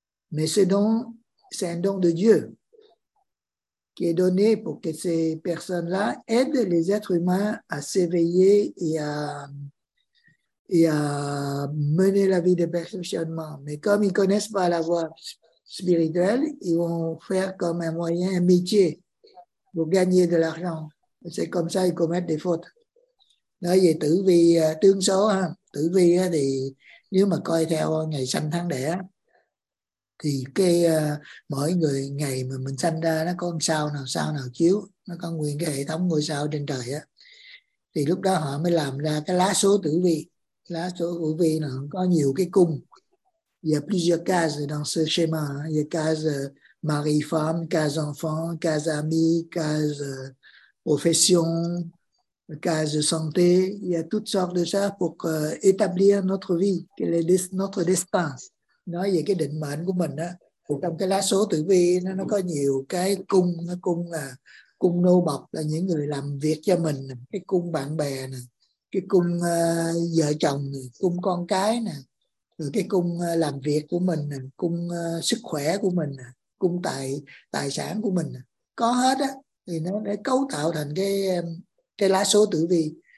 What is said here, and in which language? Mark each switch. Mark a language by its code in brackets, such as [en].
[fr] Mais ce don, c'est un don de Dieu qui est donné pour que ces personnes-là aident les êtres humains à s'éveiller et à mener la vie de perfectionnement. Mais comme ils connaissent pas la voie spirituelle, ils vont faire comme un moyen, un métier pour gagner de l'argent. Et c'est comme ça qu'ils commettent des fautes. [vi] Nói về tử vi tướng số, tử vi thì nếu mà coi theo ngày sanh tháng đẻ thì cái mỗi người ngày mà mình sanh ra nó có sao nào chiếu, nó có nguyên cái hệ thống ngôi sao trên trời á. Thì lúc đó họ mới làm ra cái lá số tử vi. Lá số tử vi là có nhiều cái cung. [fr] Il y a plusieurs cases dans ce schéma. Il y a case mari-femme, case enfant, case ami, case profession, case de santé, il y a toutes sortes de ça pour établir notre vie, quel est notre destin. [vi] Nói về cái định mệnh của mình á, trong cái lá số tử vi nó có nhiều cái cung, nó cung là cung nô bộc là những người làm việc cho mình, cái cung bạn bè nè, cái cung vợ chồng nè, cung con cái nè, rồi cái cung làm việc của mình nè, cung sức khỏe của mình nè, cung tài sản của mình nè. Có hết á, thì nó để cấu tạo thành cái lá số tử vi.